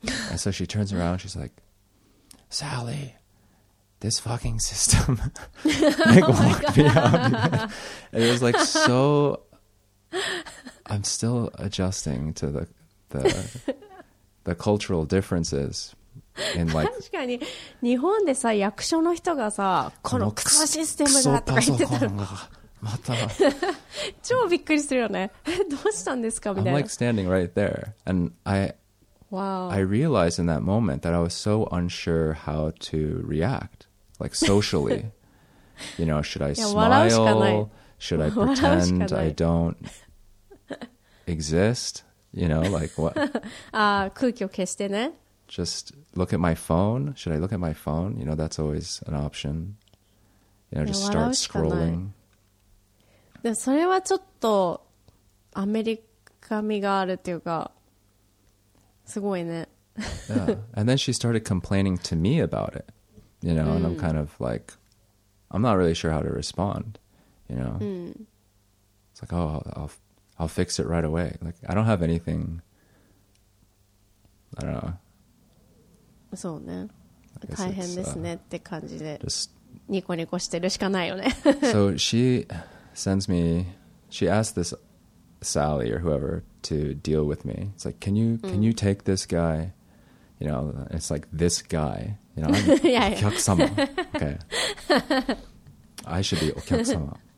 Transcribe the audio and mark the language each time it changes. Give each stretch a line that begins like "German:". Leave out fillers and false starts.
English: And so she turns around, she's like, "Sally, this fucking system like, oh locked me out." It was like, so I'm still adjusting to the cultural differences. Like,
Japanese: 確かに日本でさ役所の人がさこのクソシステムがとか言ってたらまた超びっくりするよね。どうしたんですかみたいな。
English: I'm like standing right there, and I realized in that moment that I was so unsure how to react, like socially. You know, should I smile? Should I pretend I don't exist? You know, like what?
Japanese: 空気を消してね。
English: Just look at my phone. Should I look at my phone? You know, that's always an option. You know, just start scrolling.
Japanese: でそれはちょっとアメリカ味があるっていうかすごいね。
English: And then she started complaining to me about it. You know, and I'm kind of like, I'm not really sure how to respond. You know, it's like, oh, I'll fix it right away. Like, I don't have anything. I don't know.
Japanese: そうね、大変ですねって感じでニコニコしてるしかないよね。
English: So she sends me, she asked this Sally or whoever to deal with me. It's like, can you take this guy? You know, it's like this guy. You know, I'm お客様.Okay. I should be お客様.